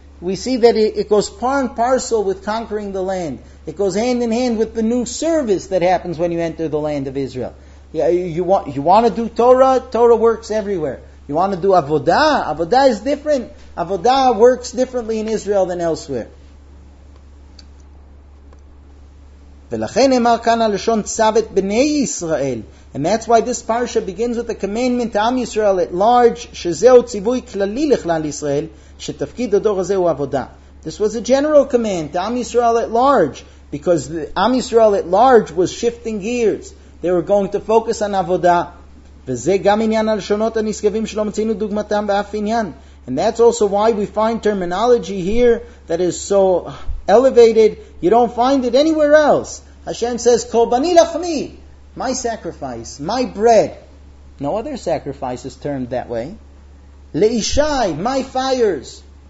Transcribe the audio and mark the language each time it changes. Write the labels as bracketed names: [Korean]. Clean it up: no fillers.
[English] We see that it goes par and parcel with conquering the land. It goes hand in hand with the new service that happens when you enter the land of Israel. Yeah, you want to do Torah, Torah works everywhere. You want to do avodah, avodah is different. Avodah works differently in Israel than elsewhere. [Hebrew] ולכן אמר כאן הלשון צוות בני ישראל. [English] And that's why this parsha begins with a commandment to Am Yisrael at large, [Hebrew] שזהו ציווי כללי לכלל ישראל, שתפקיד הדור הזה הוא עבודה. [English] This was a general command to Am Yisrael at large, because Am Yisrael at large was shifting gears. They were going to focus on עבודה. [Hebrew] וזה גם עניין הלשונות הנשגבים שלא מצינו דוגמתם באף עניין. [English] And that's also why we find terminology here that is so elevated, you don't find it anywhere else. Hashem says, Korbani lachmi, my sacrifice, my bread. No other sacrifice is termed that way. Le'ishai, my fires.